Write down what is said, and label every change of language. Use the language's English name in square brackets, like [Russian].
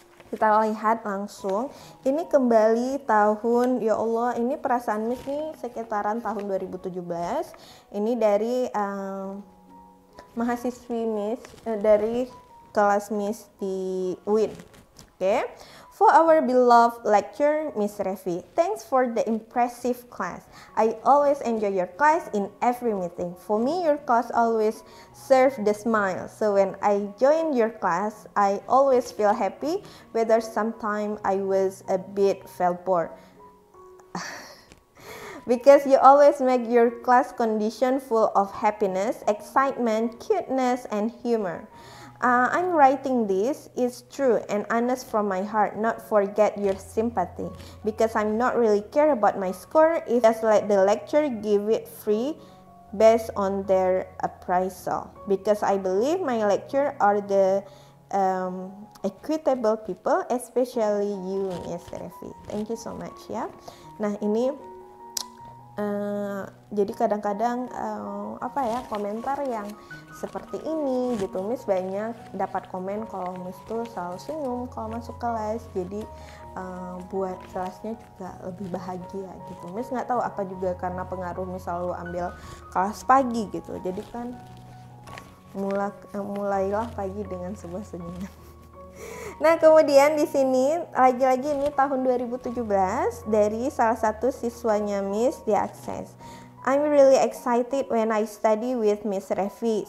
[Indonesian] Kita lihat langsung. Ini kembali tahun, ya Allah, ini perasaan Miss nih sekitaran tahun 2017. Ini dari mahasiswi Miss, dari kelas Miss di UIN. Oke. [English] For our beloved lecturer, Miss Revi, thanks for the impressive class. I always enjoy your class in every meeting. For me, your class always serves the smile. So when I join your class, I always feel happy, whether sometimes I was a bit felt bored. Because you always make your class condition full of happiness, excitement, cuteness, and humor. I'm writing this is true and honest from my heart, not forget your sympathy, because I'm not really care about my score, if just let the lecturer give it free based on their appraisal, because I believe my lecturer are the equitable people, especially you, Miss Revi. Thank you so much ya. [Indonesian] Nah ini jadi kadang-kadang apa ya, komentar yang seperti ini gitu. Miss banyak dapat komen kalau Miss tuh selalu senyum kalau masuk kelas, jadi buat kelasnya juga lebih bahagia gitu. Miss nggak tahu apa juga karena pengaruh Miss selalu ambil kelas pagi gitu, jadi kan mulailah pagi dengan sebuah senyum. Nah kemudian di sini lagi-lagi ini tahun 2017 dari salah satu siswanya Miss di Access. [English] I'm really excited when I study with Miss Revi.